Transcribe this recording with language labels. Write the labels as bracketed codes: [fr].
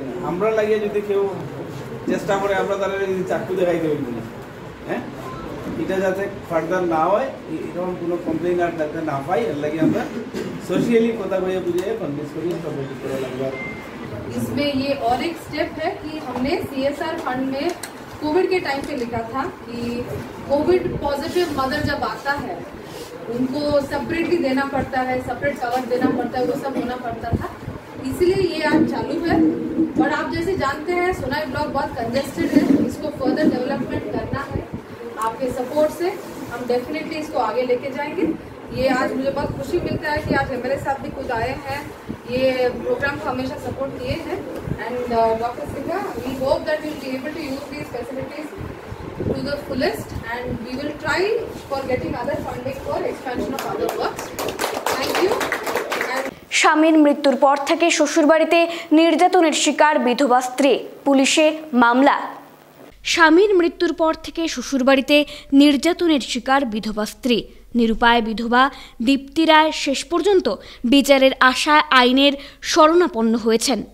[bn] আমরা লাগিয়ে যদি কেউ চেষ্টা করে আমরা তাহলে যদি চাকু দেখাই দেবেন, হ্যাঁ এটা যাতে ফার্দার না হয় এরকম কোনো কমপ্লেন আর যাতে না পাই এর লাগে আমরা সোশিয়ালি কথা বলে বুঝিয়ে কনভিন্স করি সাপোর্ট করা লাগবে। [hi] इसमें ये और एक स्टेप है कि हमने सीएसआर फंड में कोविड के टाइम पे लिखा था कि कोविड पॉजिटिव मदर जब आता है उनको सेपरेटली देना पड़ता है, सेपरेट कवर देना पड़ता है, वो सब होना पड़ता था, इसलिए ये आज चालू है। और आप जैसे जानते हैं सोनाई ब्लॉक बहुत कंजेस्टेड है, इसको फर्दर डेवलपमेंट करना है, आपके सपोर्ट से हम डेफिनेटली इसको आगे लेके जाएंगे। ये आज मुझे बहुत खुशी मिलता है कि आज एमएलए साहब भी खुद आए हैं, ये प्रोग्राम को हमेशा सपोर्ट किए हैं। [en] And doctor Sinha, we hope that we will be able to use these facilities to the fullest and we will try for getting other funding for expansion of other work. Thank you. [bn] স্বামীর মৃত্যুর পর থেকে শ্বশুরবাড়িতে নির্যাতনের শিকার বিধবা স্ত্রী, পুলিশে মামলা। স্বামীর মৃত্যুর পর থেকে শ্বশুরবাড়িতে নির্যাতনের শিকার বিধবা স্ত্রী নিরুপায় বিধবা দীপ্তি রায় শেষ পর্যন্ত বিচারের আশায় আইনের শরণাপন্ন হয়েছেন।